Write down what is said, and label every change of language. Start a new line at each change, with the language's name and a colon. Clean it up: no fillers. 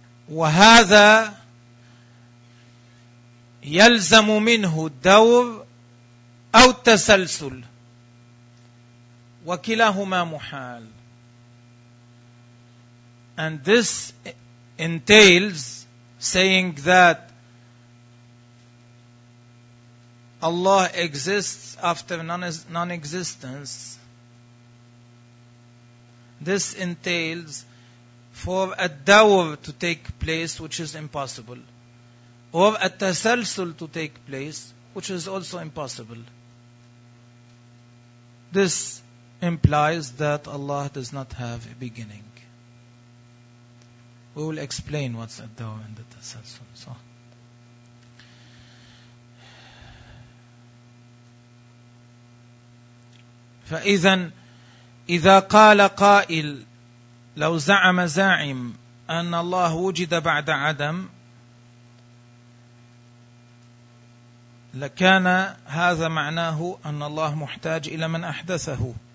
Arabic: وَهَذَا يلزم منه الدور أو التسلسل وكلاهما محال.
English: And this entails saying that Allah exists after non-existence. This entails for a dawr to take place, which is impossible, or a tasalsul to take place, which is also impossible. This implies that Allah does not have a beginning. We will explain what's at the end of the tasalsul.
Arabic: So, فَإِذًا إِذَا قَالَ قَائِلٌ لَوْ زَعَمَ زَاعِمٌ أَنَّ اللَّهُ وُجِدَ بَعْدَ عَدَمٍ لكان هذا معناه أن الله محتاج إلى من أحدثه.